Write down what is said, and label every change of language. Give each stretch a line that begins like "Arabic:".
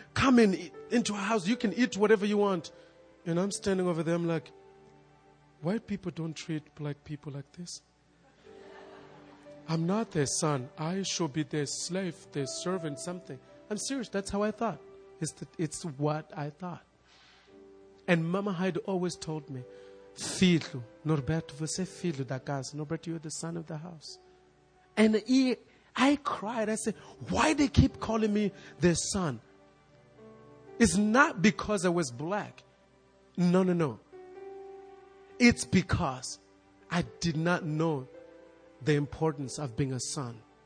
English: Come in into a house. You can eat whatever you want. And I'm standing over there. I'm like, white people don't treat black people like this. I'm not their son. I should be their slave, their servant, something. I'm serious. That's how I thought. It's what I thought. And Mama Hyde always told me,
Portuguese: filho, Norberto, você é filho da casa.
English: Norberto, you're the son of the house. And I cried. I said, why they keep calling me their son? It's not because I was black. No. It's because I did not know the importance of being a son.